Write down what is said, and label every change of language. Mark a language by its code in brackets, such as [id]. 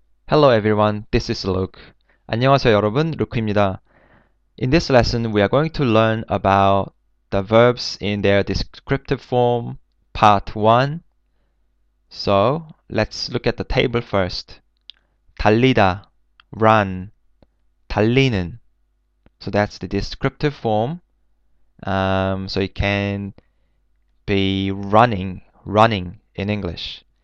[en] Hello everyone, this is Luke. [ko] 안녕하세요 여러분, 루크입니다. [en] In this lesson, we are going to learn about the verbs in their descriptive form, part 1. So, let's look at the table first. [ko] 달리다, [en] run, [ko] 달리는. [en] So that's the descriptive form. So it can be running in English.